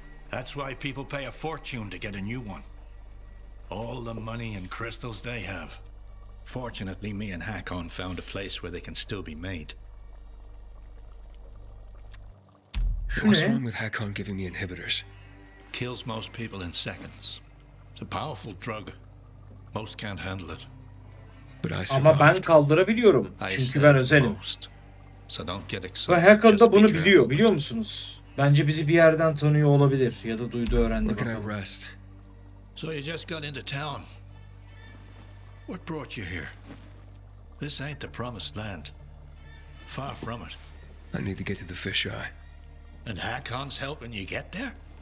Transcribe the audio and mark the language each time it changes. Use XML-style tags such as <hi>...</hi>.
<en>That's why people pay a fortune to get a new one. All the money and crystals they have. Fortunately, me and Hakon found a place where they can still be made. What's wrong with Hakon giving me inhibitors? Kills most people in seconds. It's a powerful drug. Most can't handle it. But I survived.</en> <tr>Ama ben kaldırabiliyorum. Çünkü ben özelim. Most.</tr> <en>So don't get excited.</en> <tr>Hakon da bunu biliyor, biliyor musunuz? Bence bizi bir yerden tanıyor olabilir. Ya da duydu, öğrendi.</tr> <en>Where can I rest? So you just got into town. What brought you here? This ain't the promised land. Far from it. I need to get to the Fisheye. And Hakon's helping you get there?</en>